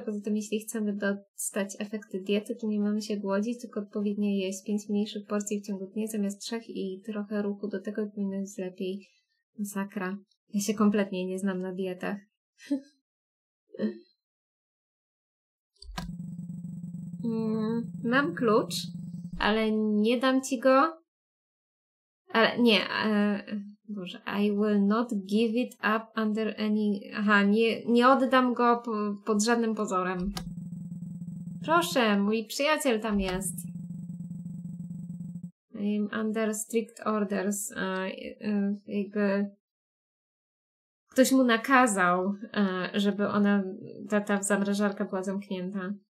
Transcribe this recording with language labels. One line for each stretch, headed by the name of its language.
Polish: Poza tym, jeśli chcemy dostać efekty diety, to nie mamy się głodzić, tylko odpowiednio jeść 5 mniejszych porcji w ciągu dnia zamiast 3 i trochę ruchu do tego powinno być lepiej. Masakra. Ja się kompletnie nie znam na dietach. Mam klucz, ale nie dam ci go. Ale nie.
English: Boże, I will not give it up under any...
Polish: Aha, nie oddam go pod żadnym pozorem. Proszę, mój przyjaciel tam jest.
English: I'm under strict orders.
Polish: Jakby... Ktoś mu nakazał, żeby ona, ta zamrażarka była zamknięta.